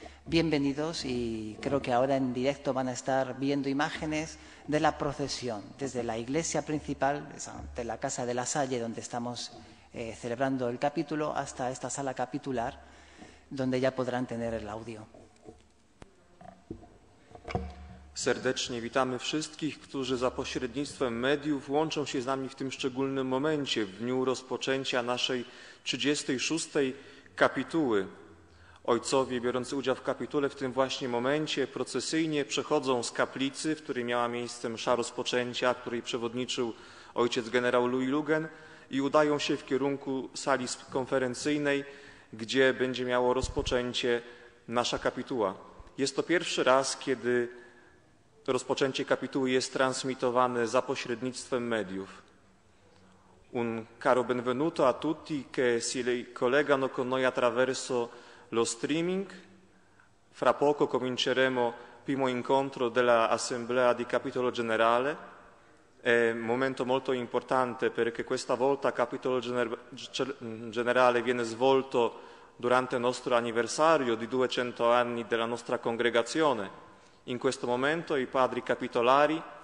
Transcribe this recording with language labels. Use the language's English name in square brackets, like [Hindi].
[Spanish] Bienvenidos y creo que ahora en directo van a estar viendo imágenes de la procesión desde la iglesia principal, de la Casa de LaSalle, donde estamos celebrando el capítulo, hasta esta sala capitular, donde ya podrán tener el audio. [Polish] Serdecznie witamy wszystkich, którzy za pośrednictwem mediów łączą się z nami w tym szczególnym momencie, w dniu rozpoczęcia naszej 36. kapituły. Ojcowie biorący udział w kapitule w tym właśnie momencie procesyjnie przechodzą z kaplicy, w której miała miejsce msza rozpoczęcia, której przewodniczył ojciec generał Louis Logen, i udają się w kierunku sali konferencyjnej, gdzie będzie miało rozpoczęcie nasza kapituła. Jest to pierwszy raz, kiedy rozpoczęcie kapituły jest transmitowane za pośrednictwem mediów. [Italian] Un caro benvenuto a tutti che si collegano con noi attraverso lo streaming. Fra poco cominceremo primo incontro dell'Assemblea di Capitolo Generale. È un momento molto importante perché questa volta Capitolo Generale viene svolto durante il nostro anniversario di 200 anni della nostra congregazione. In questo momento i padri capitolari